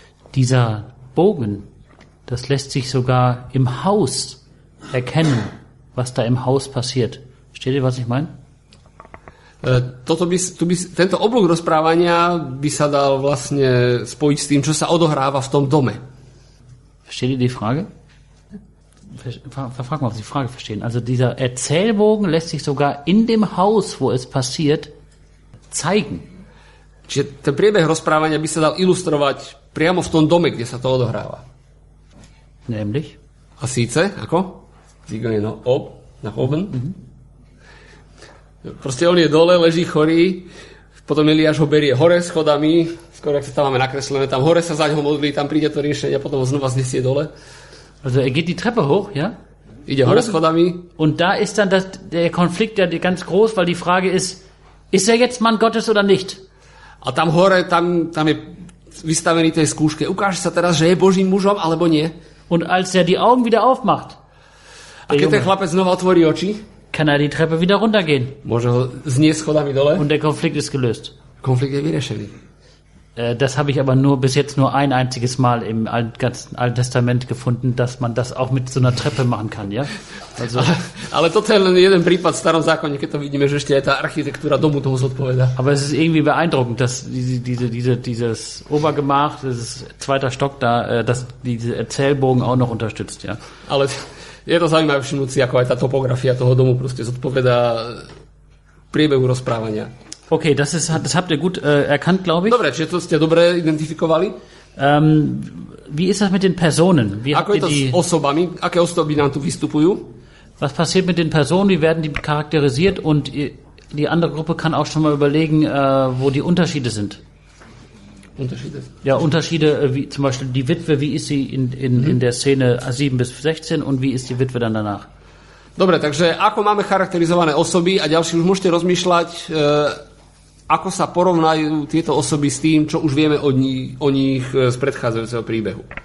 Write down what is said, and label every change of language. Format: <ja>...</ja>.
<de>Dieser Bogen, das lässt sich sogar im Haus erkennen, was da im Haus passiert. Versteht ihr, was ich meine?</de> <sk>Tento oblúk rozprávania by sa dal vlastne spojiť s tým, čo sa odohráva v tom dome.</sk> <de>Versteht ihr die Frage? Frag mal, ob Sie die Frage verstehen. Also dieser Erzählbogen lässt sich sogar in dem Haus, wo es passiert, zeigen.</de> <sk>Čiže ten priebeh rozprávania by sa dal ilustrovať priamo v tom dome, kde sa to odohráva.</sk> <de>Nämlich?</de> <sk>A síce, ako?</sk> <de>Sie gehen nach oben.</de> <sk>Proste on je dole, leží chorý, potom Eliáš ho berie hore schodami, skoro ak sa tam máme nakreslené, tam hore sa zaň ho modlí, tam príde to riešenie a potom ho znova znesie dole.</sk> <de>Also er geht die Treppe hoch, ja?</de> <sk>Ide hore schodami.</sk> <de>Und da ist dann der Konflikt ja ganz groß, weil die Frage ist, ist er jetzt Mann Gottes oder nicht?</de> <sk>A tam hore, tam je vystavený tej skúške. Ukáže sa teraz, že je Božím mužom, alebo nie?</sk> <de>Und als er die Augen wieder aufmacht.</de> <sk>A keď ten chlapec znova otvorí oči?</sk> <de>Kann er die Treppe wieder runtergehen.</de> <sk>Môže ho zniesť schodami dole?</sk> <de>Und der Konflikt ist gelöst.</de> <sk>Konflikt je vyriešený.</sk> <de>Das habe ich aber nur bis jetzt nur ein einziges Mal im ganzen Alten Testament gefunden, dass man das auch mit so einer Treppe machen kann, ja?</de> <sk>Also ale toto je len jeden prípad v starom zákone, keď to vidíme, že ešte aj tá architektúra domu tomu zodpovedá.</sk> <de>Aber es ist irgendwie beeindruckend, dass dieses Obergemach, dieses zweiter Stock da, dass diese Erzählbogen auch noch unterstützt, ja?</de> <sk>Ale je to zaujímavé všimnúť si, ako aj tá topografia toho domu proste zodpovedá priebehu rozprávania.</sk> <de>Okay, das habt ihr gut erkannt, glaube ich.</de> <sk>Dobre, čiže to ste dobre identifikovali.</sk> <de>Wie ist das mit den Personen? Wie</de> <sk>ako je to s osobami? Aké osoby nám tu vystupujú?</sk> <de>Was passiert mit den Personen? Wie werden die charakterisiert? Und die andere Gruppe kann auch schon mal überlegen, wo die Unterschiede sind. Unterschiede? Ja, Unterschiede, wie zum Beispiel die Witwe, wie ist sie in der Szene 7 bis 16 und wie ist die Witwe dann danach?</de> <sk>Dobre, takže ako máme charakterizované osoby a ďalšie už môžete rozmýšľať, ako sa porovnajú tieto osoby s tým, čo už vieme o nich z predchádzajúceho príbehu.</sk>